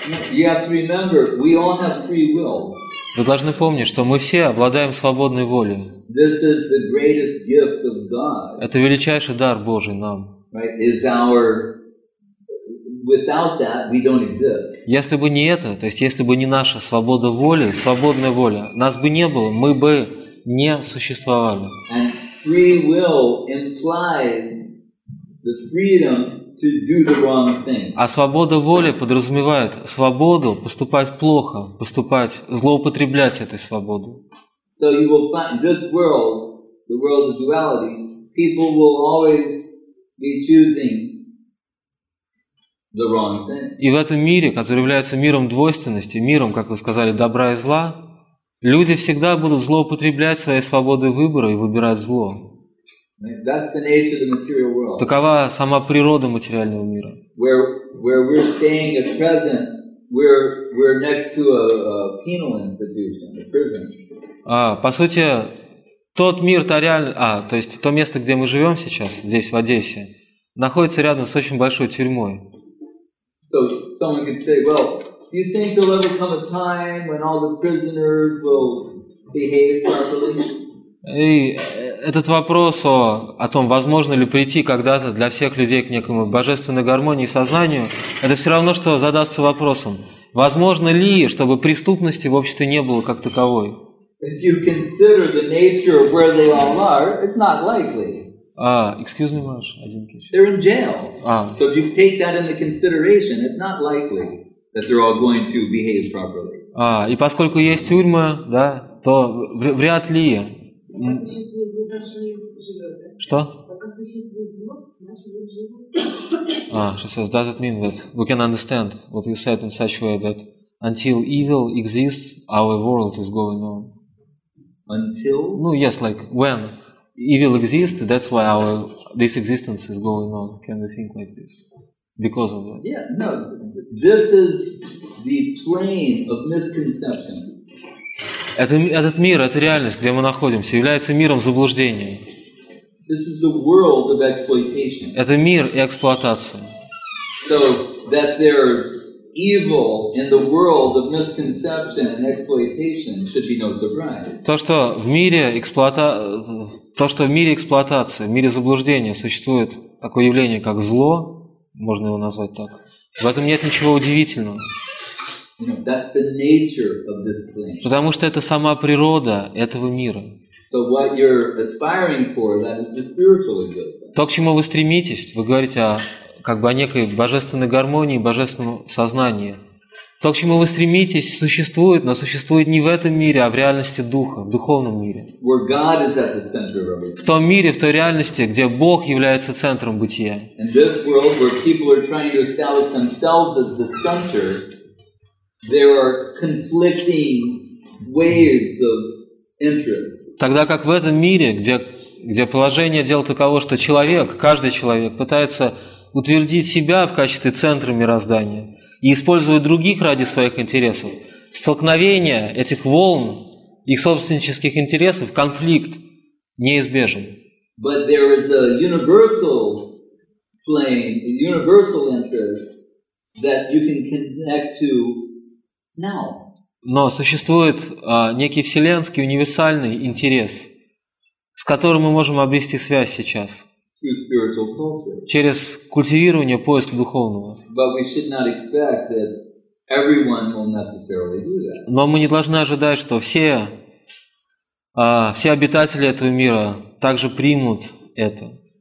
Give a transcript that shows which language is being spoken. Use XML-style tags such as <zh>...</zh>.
<en>you have to remember, we all have free will.</en> <ru>Вы должны помнить, что мы все обладаем свободной волей.</ru> <en>This is the greatest gift of God.</en> <ru>Это величайший дар Божий нам.</ru> <en>Right? Is our without that we don't exist.</en> <ru>Если бы не это, то есть если бы не наша свобода воли, свободная воля, нас бы не было, мы бы не существовали.</ru> <en>And free will implies the freedom to do the wrong thing.</en> <ru>А свобода воли подразумевает свободу поступать плохо, поступать, злоупотреблять этой свободой.</ru> <en>So you will find this world, the world of duality, people will always be choosing the wrong thing.</en> <ru>И в этом мире, который является миром двойственности, миром, как вы сказали, добра и зла, люди всегда будут злоупотреблять своей свободой выбора и выбирать зло.</ru> <en>That's the nature of the material world.</en> <ru>Такова сама природа материального мира.</ru> <en>Where we're staying at present, we're next to a penal institution, a prison.</en> <ru>По сути, тот мир, то есть то место, где мы живем сейчас, здесь, в Одессе, находится рядом с очень большой тюрьмой.</ru> <en>So someone could say, well, do you think there'll ever come a time when all the prisoners will behave properly?</en> <ru>И этот вопрос о том, возможно ли прийти когда-то для всех людей к некому божественной гармонии и сознанию, это все равно, что задастся вопросом, возможно ли, чтобы преступности в обществе не было как таковой.</ru> <en>If you consider the nature of where they all are, it's not likely. Excuse me, Marsh. I didn't catch. They're in jail. So if you take that into consideration, it's not likely that they're all going to behave properly.</en> <ru>И поскольку есть тюрьма, да, то вряд ли. Что? Сейчас,</ru> <en>does it mean that we can understand what you said in such a way that until evil exists, our world is going on? Until? No, yes, like when evil exists, that's why this existence is going on. Can we think like this? Because of that? Yeah, no. This is the plane of misconception.</en> <ru>Этот мир, эта реальность, где мы находимся, является миром заблуждений.</ru> <en>This is the world of exploitation.</en> <ru>Это мир эксплуатации.</ru> <en>So that there's evil in the world of misconception and exploitation should be no surprise.</en> <ru>То, что в мире эксплуатации, в мире заблуждения существует такое явление, как зло, можно его назвать так, в этом нет ничего удивительного.</ru> <en>That's the nature of this plane.</en> <ru>Потому что это сама природа этого мира.</ru> <en>So what you're aspiring for, that is the spiritual existence.</en> <ru>То, к чему вы стремитесь, вы говорите о некой божественной гармонии, божественном сознании. То, к чему вы стремитесь, существует, но существует не в этом мире, а в реальности Духа, в духовном мире.</ru> <en>Where God is at the center of everything.</en> <ru>В том мире, в той реальности, где Бог является центром бытия.</ru> <en>And this world, where people are trying to establish themselves as the center, there are conflicting waves of interest.</en> <ru>Тогда как в этом мире, где положение дел таково, что человек, каждый человек, пытается утвердить себя в качестве центра мироздания и использовать других ради своих интересов. Столкновение этих волн, их собственнических интересов, конфликт неизбежен.</ru> <en>But there is a universal plane, a universal interest that you can connect to now.</en> <ru>Но существует некий вселенский, универсальный интерес, с которым мы можем обрести связь сейчас. Через культивирование поиска духовного. Но мы не должны ожидать, что все обитатели этого мира также примут это.</ru>